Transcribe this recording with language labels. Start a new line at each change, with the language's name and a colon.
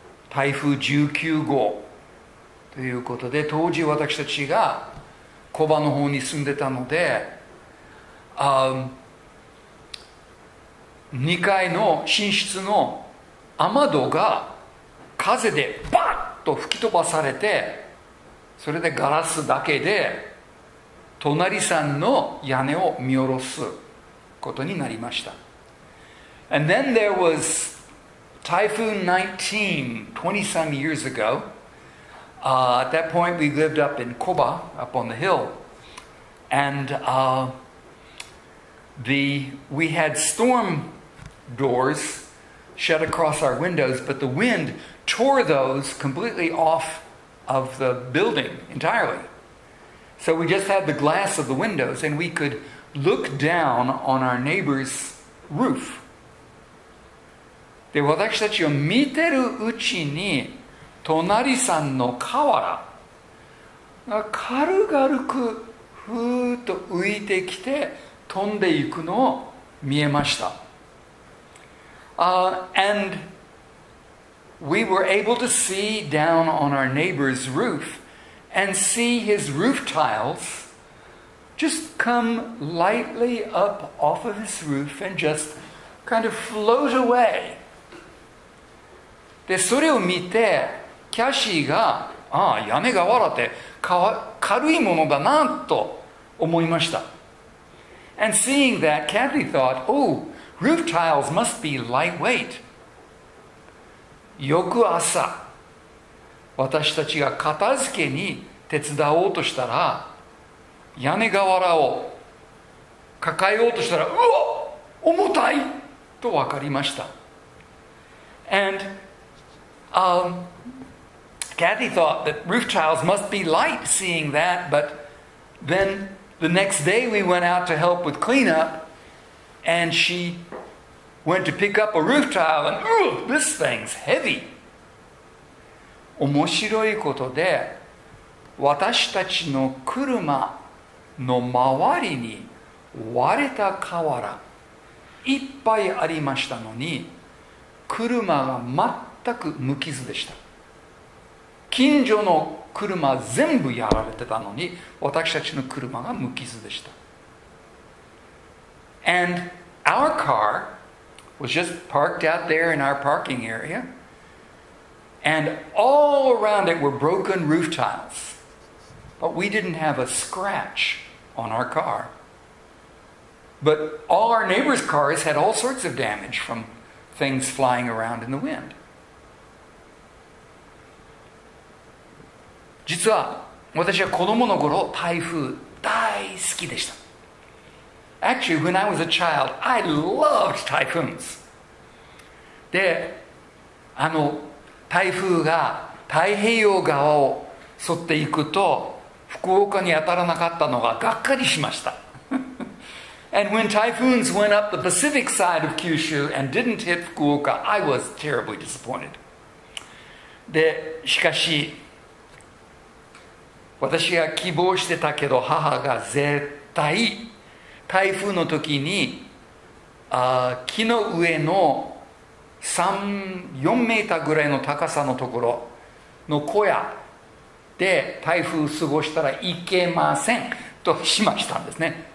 Japanese: 台風19号ということで、当時私たちが小場の方に住んでたので、2階の寝室の雨戸が風でバッと吹き飛ばされて、それでガラスだけで隣さんの屋根を見下ろすことになりました。
English: And then there was Typhoon 19, 20 some years ago. At that point we lived up in Koba, up on the hill. And we had storm doors shut across our windows, but the wind tore those completely off of the building entirely. So we just had the glass of the windows and we could look down on our neighbor's roof.
Japanese: で、私たちを見てるうちに隣さんの瓦が軽々くふーっと浮いてきて飛んでいくのを見えました。
English: And we were able to see down on our neighbor's roof and see his roof tiles just come lightly up off of his roof and just kind of float away.
Japanese: で、それを見てキャシーが、ああ、屋根瓦って軽いものだなと思いました。
English: And seeing that, Kathy thought, oh, roof tiles must be lightweight.
Japanese: 翌朝、私たちが片付けに手伝おうとしたら、屋根瓦を抱えようとしたら、うわ、重たいと分かりました。
English: And, Kathy thought that roof tiles must be light seeing that, but then the next day we went out to help with cleanup and she went to pick up a roof tile and, ooh, this thing's heavy.
Japanese: 面白いことで、私たちの車の周りに割れた瓦いっぱいありましたのに、車が全く無傷でした。近所の車全部やられてたのに、私たちの車が無傷でした。
English: And our car was just parked out there in our parking area, and all around it were broken roof tiles. But we didn't have a scratch on our car. But all our neighbors' cars had all sorts of damage from things flying around in the wind.
Japanese: 実は私は子供の頃台風大好きでした。
English: Actually, when I was a child, I loved typhoons.
Japanese: で、あの台風が太平洋側を沿っていくと福岡に当たらなかったのががっかりしました。
English: And when typhoons went up the Pacific side of Kyushu and didn't hit Fukuoka, I was terribly disappointed.
Japanese: で、しかし、私が希望してたけど、母が絶対台風の時に、木の上の3、4メーターぐらいの高さのところの小屋で台風を過ごしたらいけませんとしましたんですね。